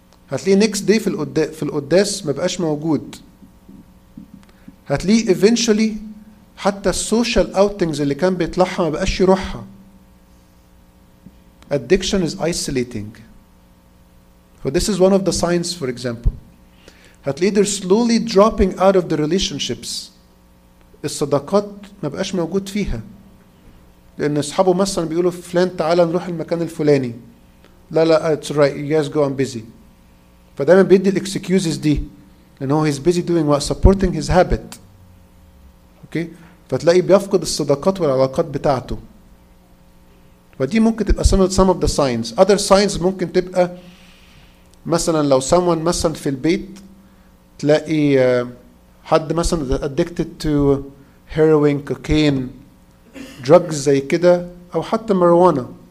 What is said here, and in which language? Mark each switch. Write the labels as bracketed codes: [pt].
[ar] هتلاقيه [en] next day [ar] في القداس ما بقاش موجود. هتلاقي [en] eventually [ar] حتى السوشيال اوتينجز اللي كان بيطلعها ما بقاش يروحها. [en] Addiction is isolating. So this is one of the signs, for example, that leaders slowly dropping out of the relationships. [ar] الصداقات ما بقاش موجود فيها. لأن أصحابه مثلا بيقولوا فلان تعالى نروح المكان الفلاني. لا لا, [en] it's right, you guys go, I'm busy. [ar] فدايما بيدي الإكسكيوزز دي. لأنه [en] he's busy doing what? Supporting his habit. Okay? [ar] فتلاقي بيفقد الصداقات والعلاقات بتاعته. ودي ممكن تبقى [en] some of the signs. Other signs [ar] ممكن تبقى مثلا لو [en] someone [ar] مثلا في البيت تلاقي حد مثلا [en] addicted to heroin, cocaine, drugs [ar] زي كده, أو حتى مروانة.